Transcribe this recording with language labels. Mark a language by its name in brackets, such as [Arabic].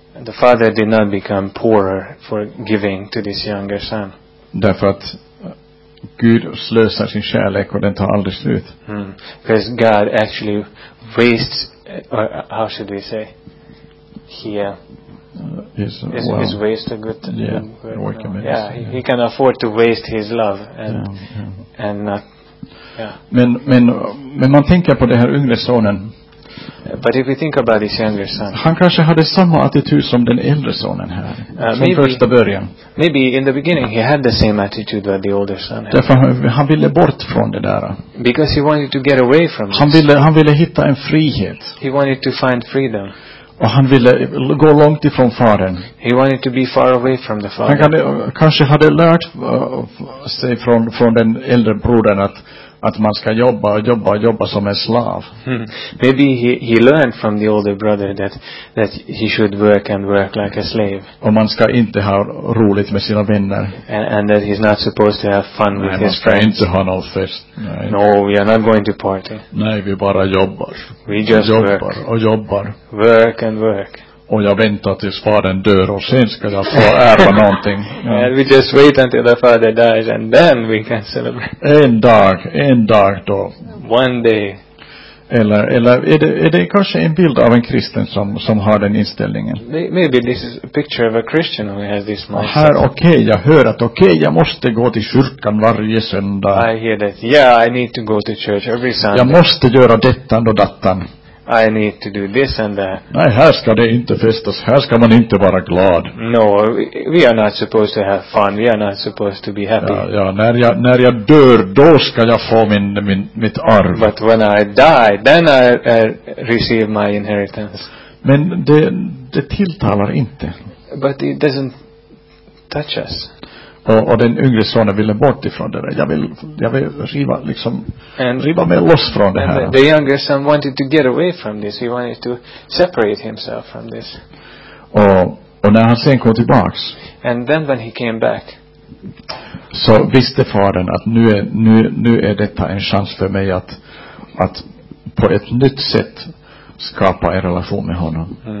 [English] The father did not become poorer for giving to this younger son. [Swedish] Därför att Gud slösar sin kärlek och den tar aldrig slut. [English] Because God actually wastes, or how should we say, is waste a good thing? Yeah, word, no. Yeah, he can afford to waste his love and not. Yeah. [Swedish] Men man tänker på den här yngre sonen. [English] But if we think about this younger son, [Swedish] han kanske hade samma attityd som den äldre sonen här från första början. [English] Maybe in the beginning he had the same attitude that the older son had. [Swedish] Därför han ville bort från det där. [English] Because he wanted to get away from this. [Swedish] Han ville hitta en frihet. [English] He wanted to find freedom. [Swedish] Och han ville gå långt ifrån fadern. [English] He wanted to be far away from the father. [Swedish] Han kanske hade lärt sig från den äldre brodern att man ska jobba som en slav. [English] Maybe he learned from the older brother that he should work and work like a slave. [Swedish] Och man ska inte ha roligt med sina vänner. [English] And that he's not supposed to have fun with his friends. [Swedish] Nej, man ska inte ha fest. [English] No, we are not going to party. [Swedish] Nej, vi bara jobbar. [English] We just [Swedish] jobbar [English] work. [Swedish] Och jobbar. [English] Work and work. [Swedish] Och jag väntar tills fadern dör och sen ska jag få ära någonting. Ja. [English] And we just wait until the father dies and then we can celebrate. [Swedish] En dag då. [English] One day. [Swedish] Eller är det kanske en bild av en kristen som har den inställningen? [English] Maybe this is a picture of a Christian who has this mindset. [Swedish] Här okej, jag hör att okej, jag måste gå till kyrkan varje söndag. [English] I hear that. Yeah, I need to go to church every Sunday. [Swedish] Jag måste göra detta och dattan. [English] I need to do this and that. [Swedish] Nej, här ska det inte festas. Här ska man inte vara glad. [English] No, we are not supposed to have fun. We are not supposed to be happy. [Swedish] Ja, när jag dör, då ska jag få mitt arv. [English] But when I die, then I receive my inheritance. [Swedish] Men det tilltalar inte. [English] But it doesn't touch us. [Swedish] Och den yngre sonen ville bort ifrån det. Jag vill riva liksom [English] and, [Swedish] riva mig loss från det här. [English] The younger son wanted to get away from this. He wanted to separate himself from this. Och när han sen kom tillbaks. And then when he came back. [Swedish] Så visste fadern att nu är detta en chans för mig att på ett nytt sätt skapa en relation med honom.